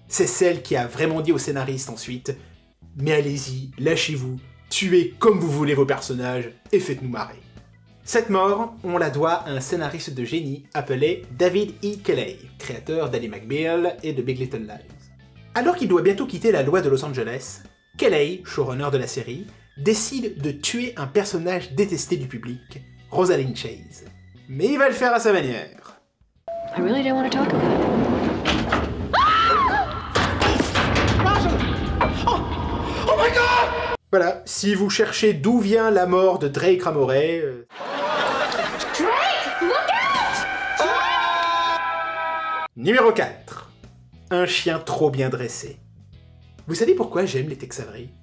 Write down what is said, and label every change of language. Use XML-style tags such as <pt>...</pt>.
<fr>C'est celle qui a vraiment dit au scénariste ensuite « Mais allez-y, lâchez-vous, tuez comme vous voulez vos personnages et faites-nous marrer. » Cette mort, on la doit à un scénariste de génie appelé David E. Kelley, créateur d'Ally McBeal et de Big Little Lies. Alors qu'il doit bientôt quitter la loi de Los Angeles, Kelley, showrunner de la série, décide de tuer un personnage détesté du public, Rosalind Chase. Mais il va le faire à sa manière.</fr> <en>I really don't want to talk about it.</en> <fr>Voilà, si vous cherchez d'où vient la mort de Drake Ramoret...</fr> <en>Drake, look out!</en> <fr>Numéro 4.</fr> <en>Un chien trop bien dressé. Vous savez pourquoi j'aime les Tex Avery?</en>